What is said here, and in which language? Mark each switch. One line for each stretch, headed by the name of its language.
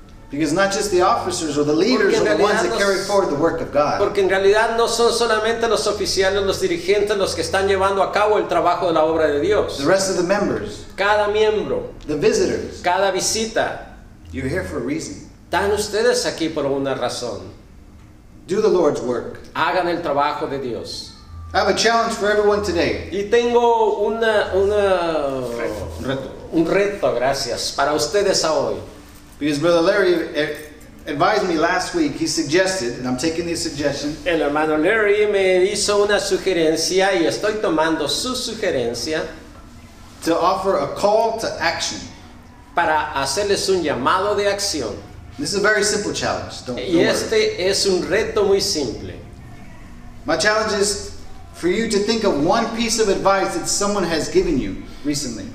English: Because not just the officers or the leaders are the ones that carry forward the work of God.
Spanish: Porque en realidad no son solamente los oficiales, los dirigentes, los que están llevando a cabo el trabajo de la obra de Dios.
English: The rest of the members.
Spanish: Cada miembro.
English: The visitors.
Spanish: Cada visita.
English: You're here for a reason.
Spanish: Están ustedes aquí por una razón.
English: Do the Lord's work.
Spanish: Hagan el trabajo de Dios.
English: I have a challenge for everyone today.
Spanish: Y tengo una reto. Un reto, gracias, para ustedes a hoy.
English: Because Brother Larry advised me last week, he suggested, and I'm taking this suggestion.
Spanish: El hermano Larry me hizo una sugerencia y estoy tomando su sugerencia.
English: To offer a call to action.
Spanish: Para hacerles un llamado de acción.
English: This is a very simple challenge. Don't
Spanish: y este
English: worry.
Spanish: Es un reto muy simple.
English: My challenge is for you to think of one piece of advice that someone has given you recently.